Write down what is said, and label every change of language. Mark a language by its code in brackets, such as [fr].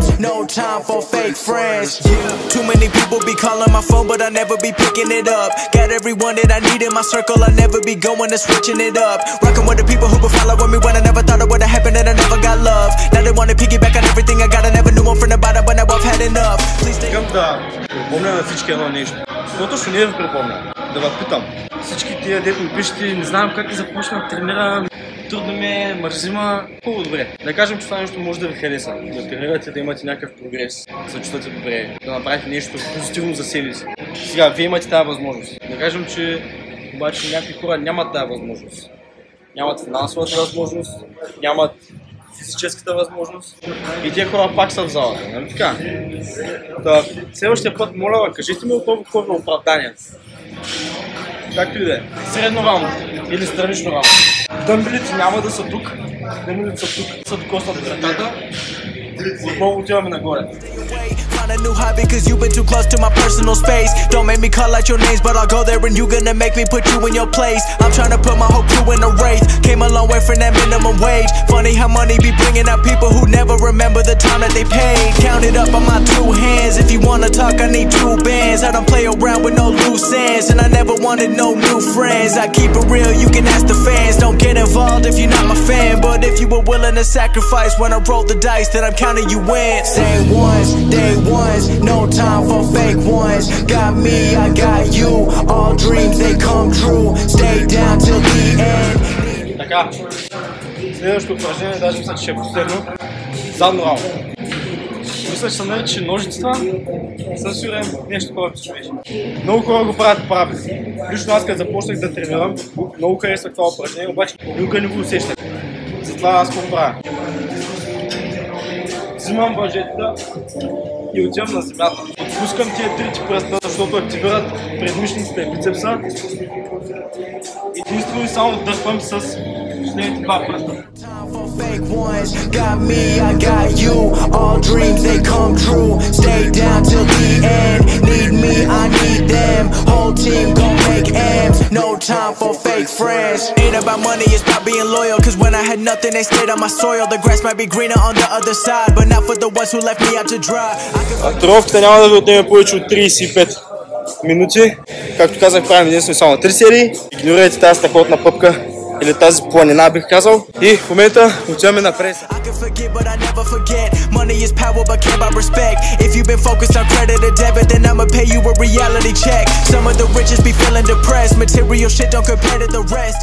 [en] No time for fake friends. Yeah. Too many people be calling my phone, but I never be picking it up. Got everyone that I need in my circle, I never be going and switching it up. Rocking with the people who be following me when I never thought it would happen and I never got love. Now they wanna piggyback on everything I got, I never knew one from the bottom, but now I've had enough. Please take me. [bg] Помня на всички едно нещо. Каквото ще не ви припомня, да ви питам. Всички тия, дето ми пишете, не знам как започна да тренирам. Трудно ми е, мързима. Хубаво, добре. Да кажем, че това нещо може да ви хареса. Да тренирате, да имате някакъв прогрес. Да се чувствате добре. Да направите нещо позитивно за себе си. Сега, вие имате тази възможност. Да кажем, че обаче някакви хора нямат тази възможност. Нямат финансовата възможност. Нямат физическата възможност и тия хора пак са в залата, нали така? Та, следващия път, моля ви, кажете ми отново какво е оправдание. Както и да е, средно рамо или странично рамо. Дъмбелите няма да са тук, дъмбелите са тук, са докоснат вратата. Отново отиваме нагоре. [en] A new hobby cause you've been too close to my personal space. Don't make me call out your names, but I'll go there and you gonna make me put you in your place. I'm trying to put my whole crew in a race. Came a long way from that minimum wage. Funny how money be bringing out people who never remember the time that they paid. Count it up on my two hands. If you wanna talk, I need two bands. I don't play around with no loose ends. And I never wanted no new friends. I keep it real, you can ask the fans. Don't get involved if you're not my fan. But if you were willing to sacrifice when I roll the dice, then I'm counting you in. Say once, day one. No time for fake ones. Got me, I got you. All dreams, they come true. Stay down till the end. [bg] Така, следващото упражнение, даже мисля, че ще е последно. Задно рамо. Мисля, че съм наричал ножицата. Съм сигурен, нещо такова ще беше. Много хора го правят правилно. Лично аз като започнах да тренирам, много харесвах това упражнение, обаче никога не го усещах. Затова аз какво правя? Взимам въжетата и отивам на земята. Отпускам тия трите пръста, защото активират предмишниците и бицепса. Единствено и само дърпам с последните два пръста. [en] Fake ones, got me, I got you. All dreams, they come true. Stay down till the end. Need me, I need them. Whole team gon' make M's. No time for fake friends. Ain't about money, it's about being loyal. Cause when I had nothing, they stayed on my soil. The grass might be greener on the other side, but not for the ones who left me out to dry. [bg] Тренировката няма да ви отнеме повече от 35 минути. Както казах, правим единствено само 3 серии. Игнорирайте тази страхотна пъпка или тази планина, бих казал. И в момента отиваме на преса. [en] I can forget, but I never forget. Money is power, but can't buy respect. If you've been focused on credit or debit, then I'ma pay you a reality check. Some of the riches be feeling depressed. Material shit don't compare to the rest.